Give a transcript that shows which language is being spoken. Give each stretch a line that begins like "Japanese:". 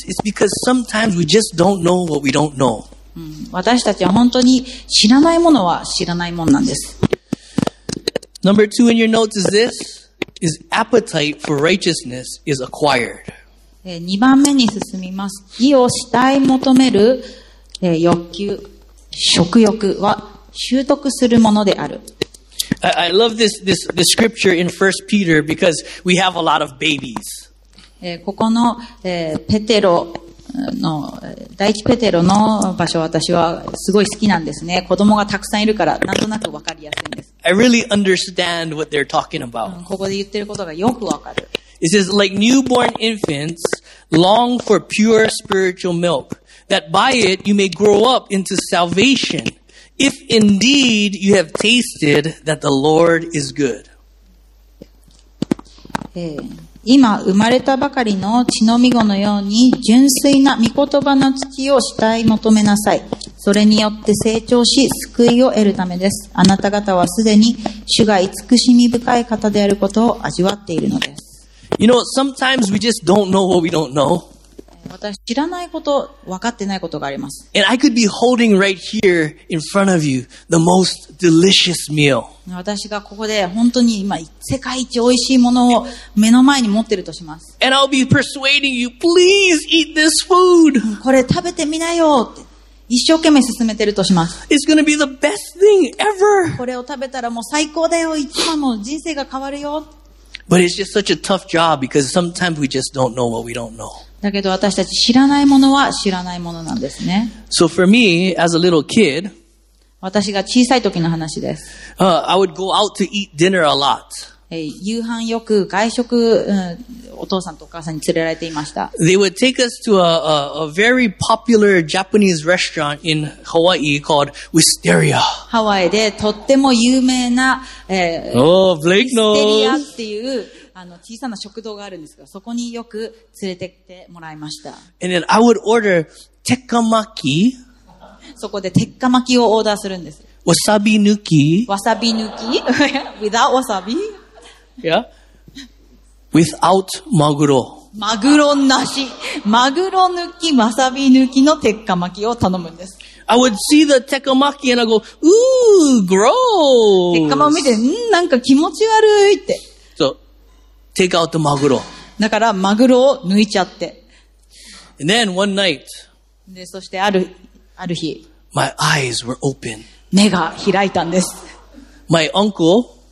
English: It's because sometimes we just don't know what we don't know.
Japanese: 私たちは本当に知らないものは知らないものなんです。
English: Number two in your notes is this: is appetite for righteousness is acquired.
Japanese: 2番目に進みます。義をしたい求める欲求、食欲は習得するものである。
English: I love this scripture in 1 Peter because we have a lot of babies.
Japanese: ここの、ペテロの、第一ペテロの場所私はすごい好きなんですね。子供がたくさんいるからなんとなくわかりやすいんです。
English: I really understand what they're talking about.
Japanese: ここで言ってることがよくわかる。
English: It says, like newborn infants long for pure spiritual milk, that by it you may grow up into salvation. If indeed you have tasted that the Lord is good.
Japanese: 今生まれたばかりの血のみ子のように純粋な御言葉の乳をしたい求めなさい。それによって成長し救いを得るためです。あなた方はすでに主が慈しみ深い方であることを味わっているのです。
English: You know, sometimes we just don't know what we don't know.
Japanese: 私知らないこと、分かってないことがあります。
English: And I could be holding right here in front of you the most delicious meal.
Japanese: 私がここで本当に今世界一美味しいものを目の前に持ってるとします。
English: And I'll be persuading you, please eat this food.
Japanese: これ食べてみなよって一生懸命進めてるとします。
English: It's gonna be the best thing ever.
Japanese: これを食べたらもう最高だよ、一番もう人生が変わるよ。
English: But it's just such a tough job because sometimes we just don't know what we don't know.
Japanese: だけど私たち知らないものは知らないものなんですね。
English: So for me, as a little kid,
Japanese: 私が小さい時の話です。
English: I would go out to eat dinner a lot.
Japanese: 夕飯よく外食、お父さんとお母さんに連れられていました。
English: They would take us to a very popular Japanese restaurant in Hawaii called Wisteria.
Japanese: ハワイでとっても有名な、
English: Blake knows.
Japanese: っていう小さな食堂があるんですが、そこによく連れてってもらいました。
English: And then I would order tekkamaki.
Japanese: そこで鉄火巻きをオーダーするんです。わさび抜き。わさび抜き。
English: Without wasabi. Yeah. Without マグロ。
Japanese: マグロなし。マグロ抜き、わさび抜きの鉄火巻きを頼むんです。
English: I would see the tekkamaki and I go, ooh, gross.
Japanese: 鉄火巻き見て、なんか気持ち悪いって。
English: Take out the マグロ。
Japanese: だからマグロを抜いちゃって。
English: And then one night.
Japanese: で、そしてある日。
English: My eyes were open.
Japanese: 目が開いたんです。
English: My uncle.